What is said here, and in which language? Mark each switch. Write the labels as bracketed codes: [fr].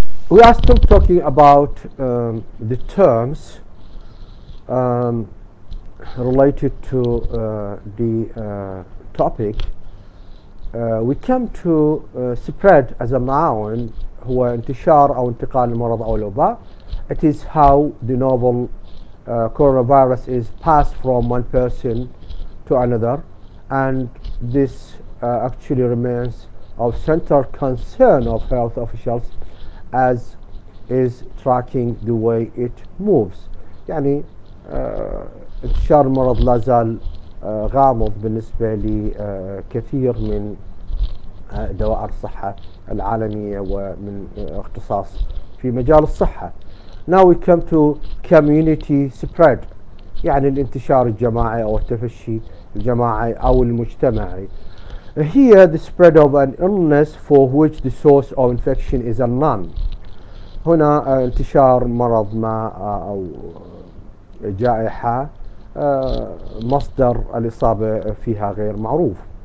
[en] We are still talking about the terms related to the topic. We come to spread as a noun [ar] هو انتشار أو انتقال المرض أو الوباء. [en] It is how the novel coronavirus is passed from one person to another, and this actually remains of central concern of health officials, as is tracking the way it moves. [ar] يعني انتشار المرض لا زال غامض بالنسبة لكثير من دوائر الصحة العالمية ومن اختصاص في مجال الصحة. [en] Now we come to community spread. [ar] يعني الانتشار الجماعي أو التفشي الجماعي أو المجتمعي. [en] Here the spread of an illness for which the source of infection is unknown. [ar] هنا انتشار مرض ما أو جائحة مصدر الإصابة فيها غير معروف.